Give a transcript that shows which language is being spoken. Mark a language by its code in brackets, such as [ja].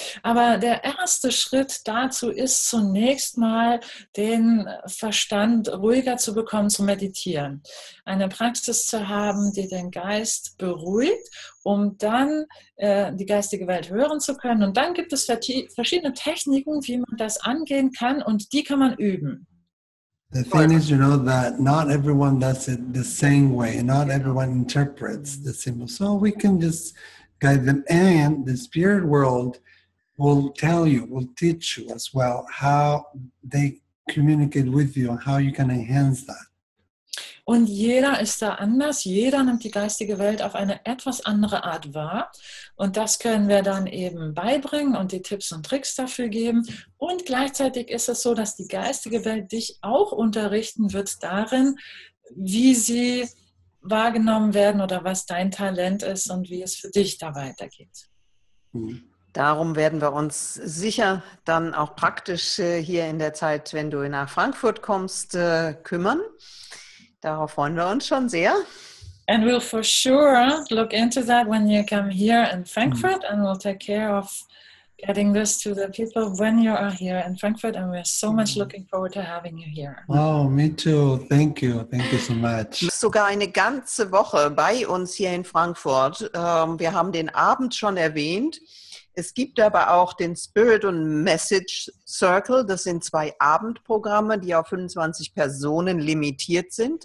[de] Aber der erste Schritt dazu ist zunächst mal, den Verstand ruhiger zu bekommen, zu meditieren. Eine Praxis zu haben, die den Geist beruhigt, um dann die geistige Welt hören zu können. Und dann gibt es verschiedene Techniken, wie man das angehen kann, und die kann man üben. [en] The thing is, you know, that not everyone does it the same way. Not everyone interprets the symbol. So we can just guide them. And the spirit world will tell you, will teach you as well, how they communicate with you and how you can enhance that. [de] Und jeder ist da anders. Jeder nimmt die geistige Welt auf eine etwas andere Art wahr. Und das können wir dann eben beibringen und die Tipps und Tricks dafür geben. Und gleichzeitig ist es so, dass die geistige Welt dich auch unterrichten wird darin, wie sie wahrgenommen werden oder was dein Talent ist und wie es für dich da weitergeht. Darum werden wir uns sicher dann auch praktisch hier in der Zeit, wenn du nach Frankfurt kommst, kümmern. Darauf freuen wir uns schon sehr. [en] And we'll for sure look into that when you come here in Frankfurt, and we'll take care of getting this to the people when you are here in Frankfurt, and we're so much looking forward to having you here. Oh, me too. Thank you so much. [de] Sogar eine ganze Woche bei uns hier in Frankfurt. Wir haben den Abend schon erwähnt. Es gibt aber auch den Spirit und Message Circle. Das sind zwei Abendprogramme, die auf 25 Personen limitiert sind.